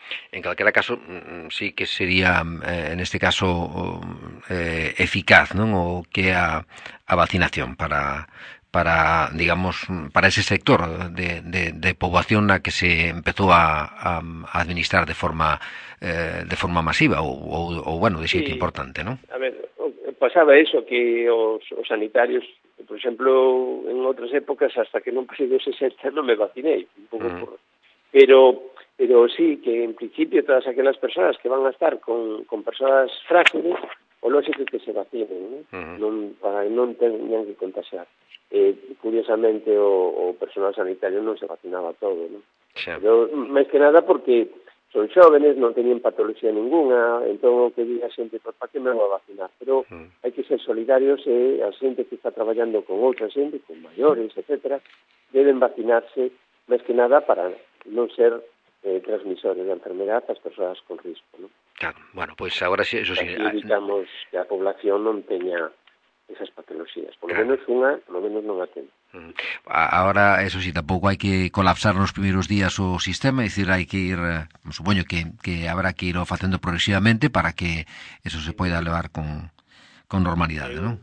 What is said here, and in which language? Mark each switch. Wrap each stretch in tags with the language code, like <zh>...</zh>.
<gl>En calquera caso, sí que sería, en este caso, eficaz, non? O que a vacinación para digamos, para ese sector de poboación na que se empezou a administrar de forma masiva ou de xeito importante, non? A ver, pasaba eso, que os sanitarios, por exemplo, en outras épocas, hasta que non pasé de 60, non me vacinei, pero sí que en principio todas aquelas personas que van a estar con personas frágiles, o lógico que se vacinen, ¿no? Non, para que non teñan que contagiar. Curiosamente, o personal sanitario non se vacinaba todo, ¿no? Pero, máis que nada, porque son xóvenes, non teñen patología ninguna, entón o que diga a xente, pues, para que me van a vacinar? Pero hai que ser solidarios, a xente que está traballando con outra xente, con maiores, etcétera, deben vacinarse, máis que nada, para non ser transmisores de enfermedad a persoas con risco, ¿no? Claro, bueno, pois pues agora eso sí. Así evitamos que a población non teña esas patologías,</gl> <es>por lo menos</es> <gl>unha, por lo menos non a teña.</gl> <es>Ahora, eso sí, tampoco hay que colapsar los primeros días o sistema, es decir, hay que ir, supongo que habrá que ir haciendo progresivamente para que eso se pueda elevar con normalidad, ¿no?</es>